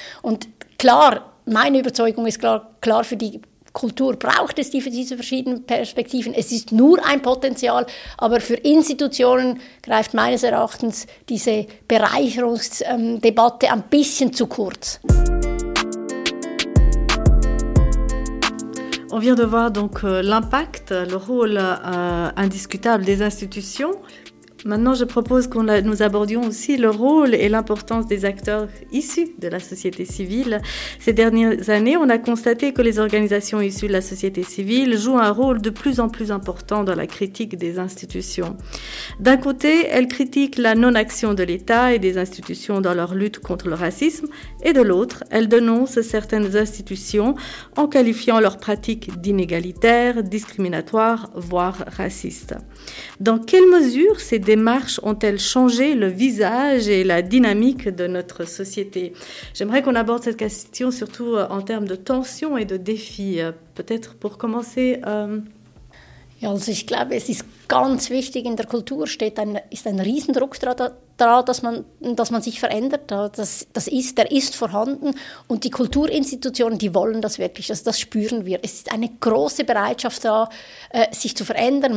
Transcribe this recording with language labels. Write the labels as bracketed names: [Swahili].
[German] Und klar, meine Überzeugung ist klar für die Kultur braucht es diese verschiedenen Perspektiven. Es ist nur ein Potenzial, aber für Institutionen greift meines Erachtens diese Bereicherungsdebatte ein bisschen zu kurz. [French] On vient de voir donc l'impact, le rôle indiscutable des institutions. Maintenant, je propose que nous abordions aussi le rôle et l'importance des acteurs issus de la société civile. Ces dernières années, on a constaté que les organisations issues de la société civile jouent un rôle de plus en plus important dans la critique des institutions. D'un côté, elles critiquent la non-action de l'État et des institutions dans leur lutte contre le racisme, et de l'autre, elles dénoncent certaines institutions en qualifiant leurs pratiques d'inégalitaires, discriminatoires, voire racistes. Dans quelle mesure ces démarches ont-elles changé le visage et la dynamique de notre société? J'aimerais qu'on aborde cette question surtout en termes de tensions et de défis. Peut-être pour commencer. [German] Also ich glaube, es ist ganz wichtig. In der Kultur steht ist ein Riesendruck daran, dass man sich verändert. Der ist vorhanden und die Kulturinstitutionen, die wollen das wirklich. Also das spüren wir. Es ist eine große Bereitschaft da, sich zu verändern.